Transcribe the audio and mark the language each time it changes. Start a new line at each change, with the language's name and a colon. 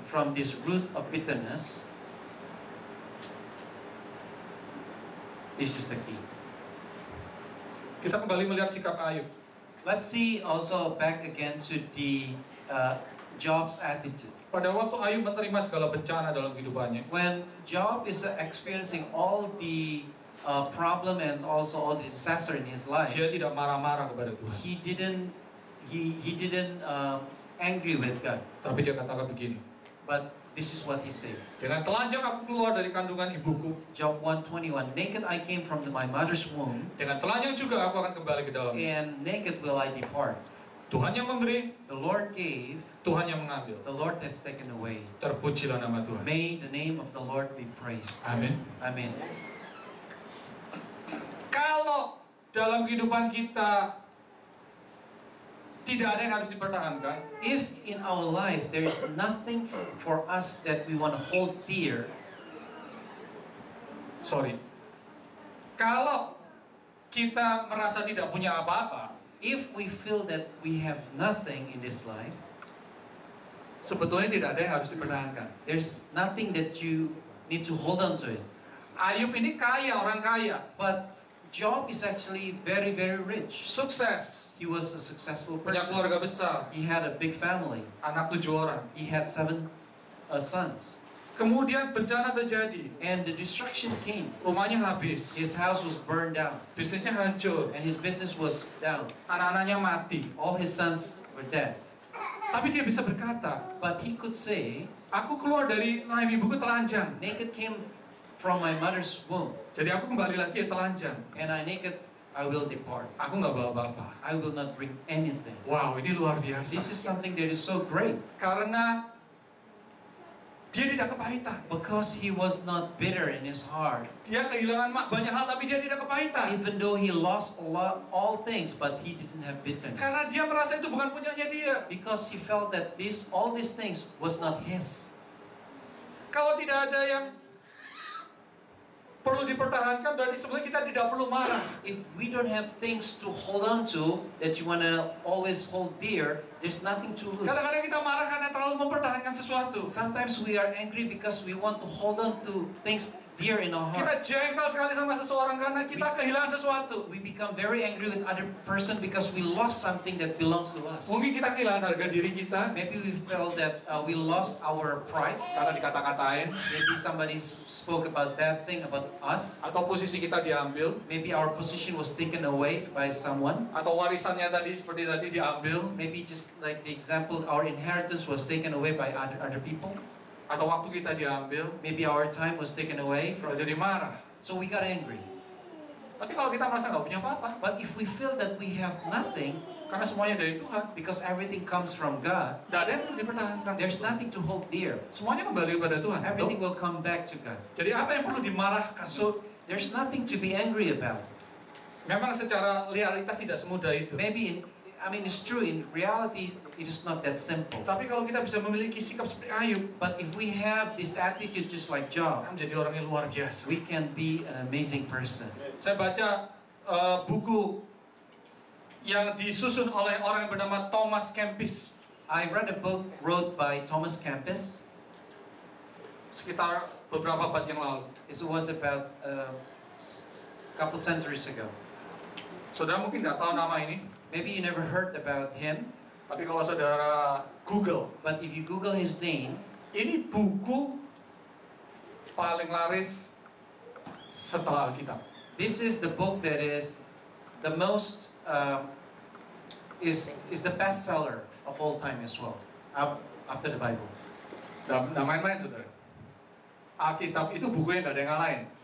English: from this root of bitterness, this is the key.
Indonesian: Kita kembali melihat sikap Ayub.
English: Let's see also back again to the Job's attitude.
Indonesian: Pada waktu Ayub menerima segala bencana dalam kehidupannya,
English: when Job is experiencing all the problem and also all the disaster in his life,
Indonesian: dia tidak marah-marah kepada Tuhan.
English: He didn't angry with God.
Indonesian: Tapi dia katakan begini.
English: But this is what he said.
Indonesian: Dengan telanjang aku keluar dari kandungan ibuku.
English: Job 1:21. Naked I came from my mother's womb.
Indonesian: Dengan telanjang juga aku akan kembali ke dalam.
English: And naked will I depart.
Indonesian: Tuhan yang memberi,
English: the Lord gave,
Indonesian: Tuhan yang mengambil,
English: the Lord has taken away.
Indonesian: Terpujilah nama Tuhan.
English: May the name of the Lord be praised.
Indonesian: Amin. Amin. Kalau dalam kehidupan kita tidak ada yang harus dipertahankan,
English: if in our life there is nothing for us that we want to hold dear.
Indonesian: Sorry. Kalau kita merasa tidak punya apa-apa,
English: if we feel that we have nothing in this life,
Indonesian: sebetulnya tidak ada yang harus dipertahankan.
English: There's nothing that you need to hold on to it.
Indonesian: Ayub ini kaya, orang kaya.
English: But Job is actually very, very rich.
Indonesian: Sukses.
English: He was a successful person.
Indonesian: Punya keluarga besar.
English: He had a big family.
Indonesian: Anak 7 orang.
English: He had 7 sons.
Indonesian: Kemudian bencana terjadi.
English: And the destruction came.
Indonesian: Rumahnya habis.
English: His house was burned down.
Indonesian: Bisnisnya hancur.
English: And his business was down.
Indonesian: Anak-anaknya mati.
English: All his sons were dead.
Indonesian: Tapi dia bisa berkata.
English: But he could say,
Indonesian: aku keluar dari rahim ibuku telanjang.
English: Naked came from my mother's womb.
Indonesian: Jadi aku kembali lagi telanjang.
English: And I naked, I will depart.
Indonesian: Aku nggak bawa apa-apa.
English: I will not bring anything.
Indonesian: Wow, ini luar biasa.
English: This is something that is so great.
Indonesian: Karena dia tidak kepahitan.
English: Because he was not bitter in his heart.
Indonesian: Dia kehilangan banyak hal, tapi dia tidak kepahitan.
English: Even though he lost a lot, all things, but he didn't have bitterness.
Indonesian: Karena dia merasa itu bukan punyanya dia.
English: Because he felt that this, all these things, was not his.
Indonesian: Kalau tidak ada yang perlu dipertahankan, berarti sebenarnya kita tidak perlu marah.
English: If we don't have things to hold on to that you wanna always hold dear, there's nothing to lose.
Indonesian: Kadang-kadang kita marah karena terlalu mempertahankan sesuatu.
English: Sometimes we are angry because we want to hold on to things dear in our heart.
Indonesian: Kita jengkel sekali sama seseorang karena kita kehilangan sesuatu.
English: We become very angry with other person because we lost something that belongs to us.
Indonesian: Mungkin kita kehilangan harga diri kita.
English: Maybe we felt that we lost our pride.
Indonesian: Karena dikata-katain.
English: Maybe somebody spoke about that thing about us.
Indonesian: Atau posisi kita diambil.
English: Maybe our position was taken away by someone.
Indonesian: Atau warisannya tadi seperti tadi diambil.
English: Maybe just like the example, our inheritance was taken away by other people.
Indonesian: Atau waktu kita diambil,
English: maybe our time was taken away from.
Indonesian: Jadi marah,
English: so we got angry.
Indonesian: Tapi kalau kita merasa nggak punya apa-apa,
English: but if we feel that we have nothing,
Indonesian: karena semuanya dari Tuhan,
English: because everything comes from God,
Indonesian: nggak ada yang perlu dipertahankan.
English: There's nothing to hold dear.
Indonesian: Semuanya kembali kepada Tuhan.
English: Everything will come back to God.
Indonesian: Jadi apa yang perlu dimarahkan?
English: So there's nothing to be angry about.
Indonesian: Memang secara realitas tidak semudah itu.
English: Maybe in, I mean it's true in reality. It is not that simple.
Indonesian: Tapi kalau kita bisa memiliki sikap seperti Ayub,
English: but if we have this attitude just like Job,
Indonesian: kita menjadi orang yang luar biasa.
English: We can be an amazing person.
Indonesian: Saya baca buku yang disusun oleh orang yang bernama Thomas Kempis.
English: I read a book wrote by Thomas Kempis
Indonesian: sekitar beberapa abad yang lalu.
English: It was about a couple centuries ago.
Indonesian: Saudara mungkin nggak tahu nama ini.
English: Maybe you never heard about him.
Indonesian: Tapi kalau saudara Google,
English: but if you Google his name,
Indonesian: ini buku paling laris setelah Alkitab.
English: This is the book that is the most is the best seller of all time as well, after the Bible.
Indonesian: Nggak main-main saudara. Alkitab itu bukunya nggak ada yang lain.